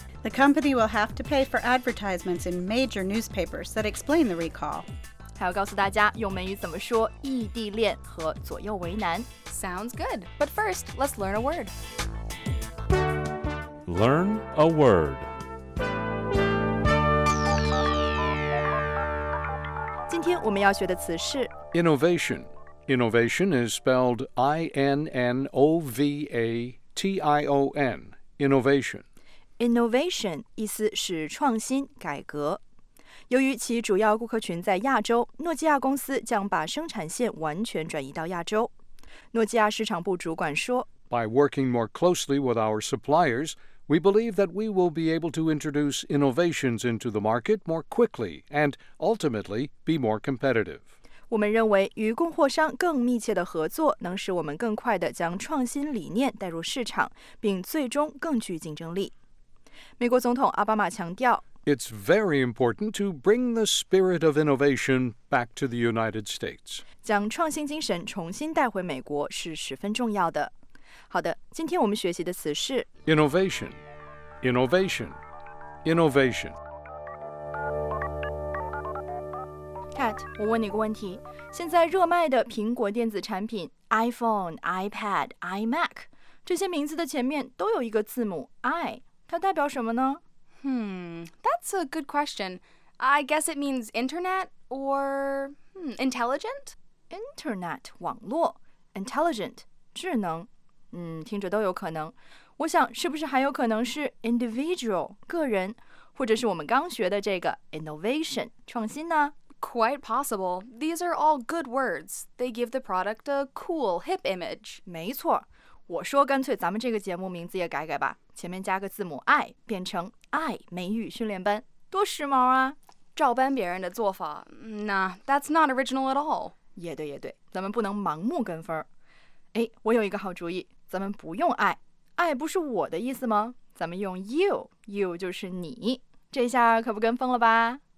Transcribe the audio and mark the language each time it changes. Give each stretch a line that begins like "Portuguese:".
English: The company will have to pay for advertisements in major newspapers that explain the recall.
Chinese: 还要告诉大家用美语怎么说异地恋和左右为难。
English: Sounds good. But first, let's learn a word. Learn a word.
Chinese: 今天我们要学的词是
English: innovation. Innovation is spelled I-N-N-O-V-A-T-I-O-N. Innovation.
Chinese: Innovation 意思是创新、改革。由于其主要顾客群在亚洲，诺基亚公司将把生产线完全转移到亚洲。诺基亚市场部主管说
English: By working more closely with our suppliers, we believe that we will be able to introduce innovations into the market more quickly and ultimately be more competitive.
Chinese: 我们认为与供货商更密切的合作能使我们更快地将创新理念带入市场，并最终更具竞争力。美国总统奥巴马强调
English: It's very important to bring the spirit of innovation back to the United States.
Chinese: 将创新精神重新带回美国是十分重要的。好的，今天我们学习的词是
English: Innovation, innovation, innovation.
Chinese: Kat, 我问你一个问题。现在热卖的苹果电子产品 iPhone, iPad, iMac, 这些名字的前面都有一个字母 I. 它代表什么呢?
English: That's a good question. I guess it means internet or intelligent?
Chinese: Internet, 网络, intelligent, 智能。听着都有可能。我想是不是还有可能是 individual, 个人,或者是我们刚学的这个 innovation, 创新呢?
English: Quite possible. These are all good words. They give the product a cool, hip image.
Chinese: 没错。我说干脆咱们这个节目名字也改改吧。前面加个字母 I 变成 I 美语训练班多时髦啊照搬别人的做法
English: Nah, that's not original at all
Chinese: 也对也对咱们不能盲目跟风哎，我有一个好主意咱们不用 I I 不是我的意思吗咱们用 You You 就是你这下可不跟风了吧